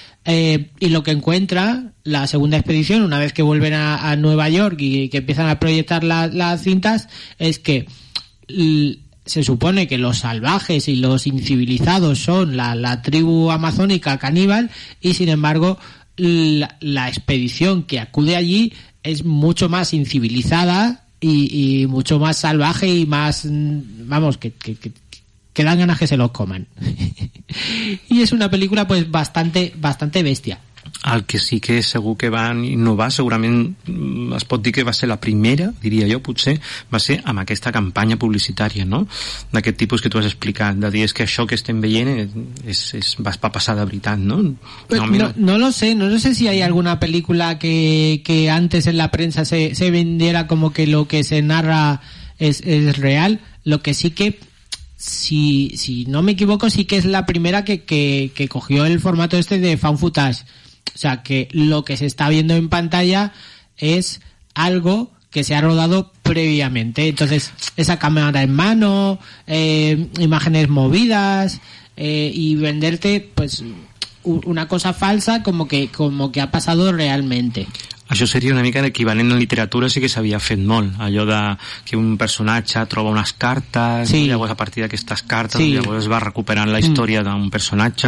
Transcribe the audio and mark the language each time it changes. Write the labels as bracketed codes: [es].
[es] Y lo que encuentra la segunda expedición, una vez que vuelven a Nueva York y que empiezan a proyectar las cintas, es que se supone que los salvajes y los incivilizados son la tribu amazónica caníbal, y sin embargo la expedición que acude allí es mucho más incivilizada y mucho más salvaje y más, vamos, que dan ganas que se los coman. Y es una película pues bastante bastante bestia. [ca] Al que sí que segur que van innovar, segurament es pot dir que va ser la primera, diria jo, potser, va ser amb aquesta campanya publicitària, no?, d'aquest tipus que tu has explicat, de dir, és que això que estem veient és va passar de veritat, no? [es] No lo sé si hay alguna película que antes en la prensa se vendiera como que lo que se narra es real. Lo que sí que, si no me equivoco, sí que es la primera que cogió el formato este de found footage. O sea, que lo que se está viendo en pantalla es algo que se ha rodado previamente. Entonces, esa cámara en mano, imágenes movidas, y venderte pues una cosa falsa como que ha pasado realmente. [ca] Això seria una mica l'equivalent en literatura, sí que s'havia fet molt, allò de que un personatge troba unes cartes, sí. I llavors a partir d'aquestes cartes, sí. Llavors es va recuperant la història d'un personatge.